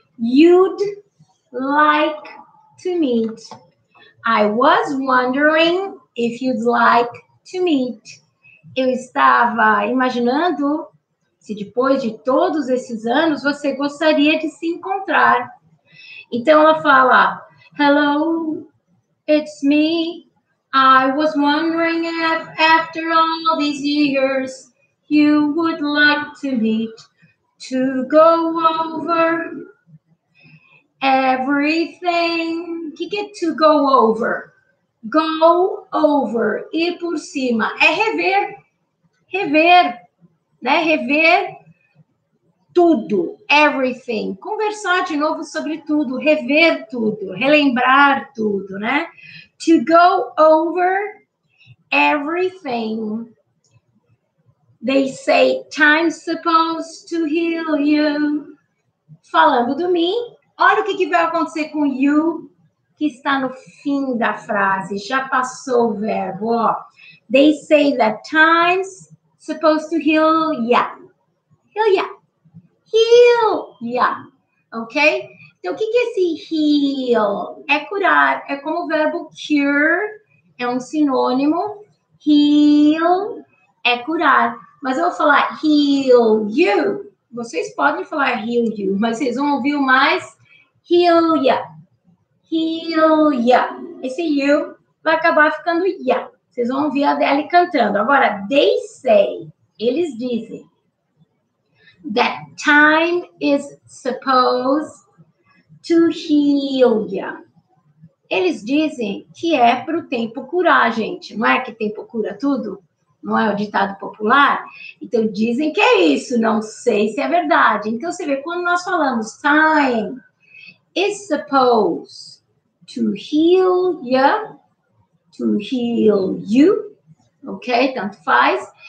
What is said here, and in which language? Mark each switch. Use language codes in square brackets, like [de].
[en] You'd like to meet. I was wondering if you'd like to meet. [pt] Eu estava imaginando se depois de todos esses anos você gostaria de se encontrar. Então ela fala, [en] hello, it's me. I was wondering if after all these years you would like to meet, to go over everything. [pt] O que é to go over? Go over, ir por cima. É rever, rever. Né? Rever tudo, everything. Conversar de novo sobre tudo, rever tudo, relembrar tudo, né? [en] To go over everything. They say time's supposed to heal you. [pt] Falando do me, olha o que vai acontecer com you, que está no fim da frase, já passou o verbo. Ó. [en] They say that time's supposed to heal ya. Heal ya. Heal ya. Ok? [pt] Então, o que é esse heal? É curar. É como o verbo cure, é um sinônimo. Heal é curar. Mas eu vou falar heal you. Vocês podem falar heal you, mas vocês vão ouvir mais heal ya. Heal ya. Esse you vai acabar ficando ya. Vocês vão ouvir a Adele cantando. Agora, they say, eles dizem, that time is supposed to heal ya. Eles dizem que é para o tempo curar, gente. Não é que tempo cura tudo? Não é o ditado popular? Então, dizem que é isso. Não sei se é verdade. Então, você vê, quando nós falamos [en] time is supposed to heal ya, to heal you, [pt] ok? Tanto faz.